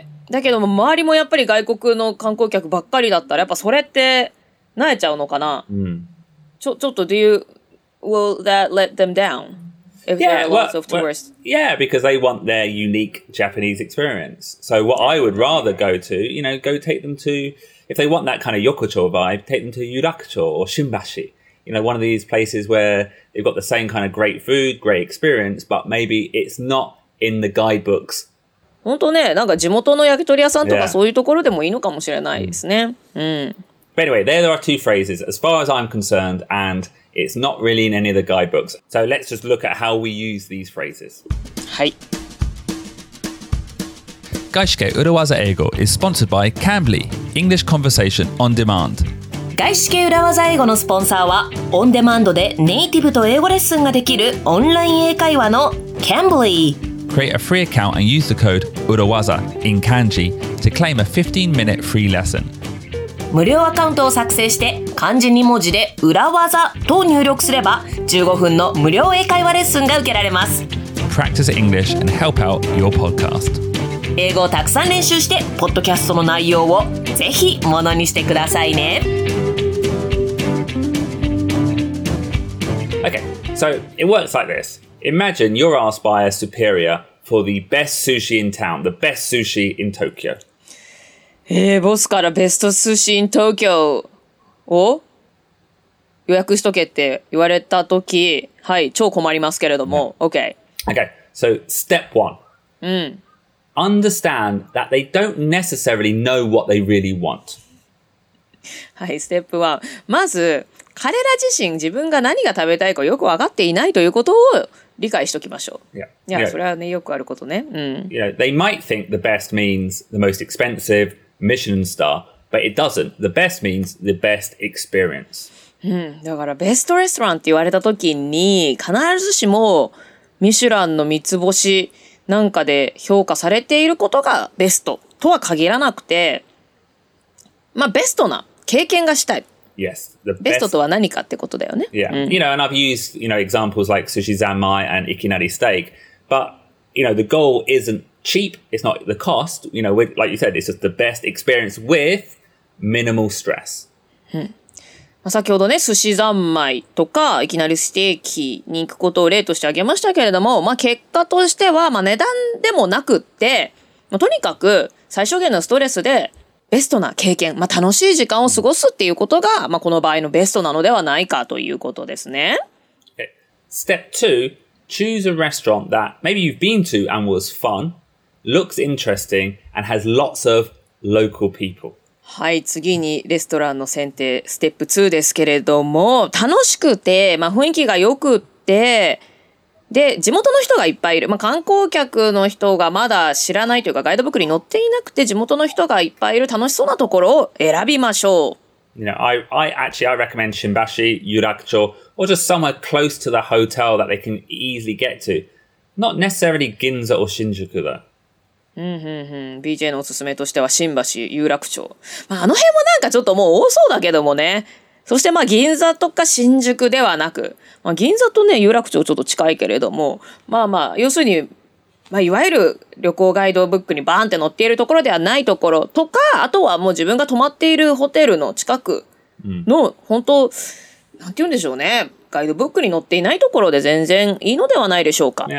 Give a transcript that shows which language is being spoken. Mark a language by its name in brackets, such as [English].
[Japanese] だけども周りもやっぱり外国の観光客ばっかりだったらやっぱそれって慣れちゃうのかな、ちょっと [English] do you will that let them down if there are lots of tourists? Yeah, because they want their unique Japanese experience. So what I would rather go to, you know, go take them to, if they want that kind of Yokocho vibe, take them to Yurakucho or Shinbashi, you know, one of these places where they've got the same kind of great food, great experience, but maybe it's not in the guidebooks. [Japanese] 本当ね、なんか地元の焼き鳥屋さんとかそういうところでもいいのかもしれないですね。 [English] But anyway, there are two phrases, as far as I'm concerned, and it's not really in any of the guidebooks. So let's just look at how we use these phrases. [Japanese] はい。 [English] 外資系裏技英語 is sponsored by Cambly, English Conversation On Demand. [Japanese] 外資系裏技英語のスポンサーは、オンデマンドでネイティブと英語レッスンができるオンライン英会話の Cambly。 [English] Create a free account and use the code URAWAZA in kanji to claim a 15-minute free lesson. [Japanese] 無料アカウントを作成して漢字2文字で裏技と入力すれば15分の無料英会話レッスンが受けられます。 [English] Practice English and help out your podcast. [Japanese] 英語をたくさん練習してポッドキャストの内容をぜひものにしてくださいね。 [English] Okay, so it works like this. Imagine you're asked by a superior for the best sushi in town, the best sushi in Tokyo. [Japanese] ボスからベストスシー in Tokyo を予約しとけって言われた時、はい、超困りますけれども、yeah. [English] Okay. Okay, so step one. Understand that they don't necessarily know what they really want. [Japanese] はい、ステップワン。まず、彼ら自身、自分が何が食べたいかよく分かっていないということを理解しときましょう。 [English] Yeah. [Japanese] いや、you know, それはね、よくあることね。 [English] You know, they might think the best means the most expensive, Michelin star, but it doesn't. The best means the best experience. [Japanese] だから、ベストレストランって言われたときに、必ずしも、ミシュランの三つ星なんかで評価されていることがベストとは限らなくて、まあ、ベストな経験がしたい。 [English] Yes, the best. [Japanese] ベストとは何かってことだよね。 [English] Yeah,、you know, and I've used, you know, examples like sushi zanmai and ikinari steak, but, you know, the goal isn't cheap, it's not the cost, you know, with, like you said, it's just the best experience with minimal stress.、 [Japanese] まあ、先ほどね、寿司三昧とかいきなりステーキに行くことを例として挙げましたけれども、まあ結果としては、まあ値段でもなくって、まあ、とにかく最小限のストレスでベストな経験、まあ、楽しい時間を過ごすっていうことが、まあ、この場合のベストなのではないかということですね。 [English] Okay. Step 2. Choose a restaurant that maybe you've been to and was fun, looks interesting, and has lots of local people. [Japanese] はい、次にレストランの選定、ステップ2ですけれども、楽しくて、まあ、雰囲気が良くって、で、地元の人がいっぱいいる。まあ、観光客の人がまだ知らないというか、ガイドブックに載っていなくて、地元の人がいっぱいいる楽しそうなところを選びましょう。 [English] You know, I recommend Shinbashi, Yurakucho, or just somewhere close to the hotel that they can easily get to. Not necessarily Ginza or Shinjuku, though. [Japanese] BJ のおすすめとしては、Shinbashi, Yurakucho。まあ、あの辺もなんかちょっともう多そうだけどもね。そしてまあ銀座とか新宿ではなく、まあ、銀座とね有楽町ちょっと近いけれども、まあまあ要するに、まあ、いわゆる旅行ガイドブックにバーンって載っているところではないところとか、あとはもう自分が泊まっているホテルの近くの、本当なんて言うんでしょうね、ガイドブックに載っていないところで全然いいのではないでしょうか。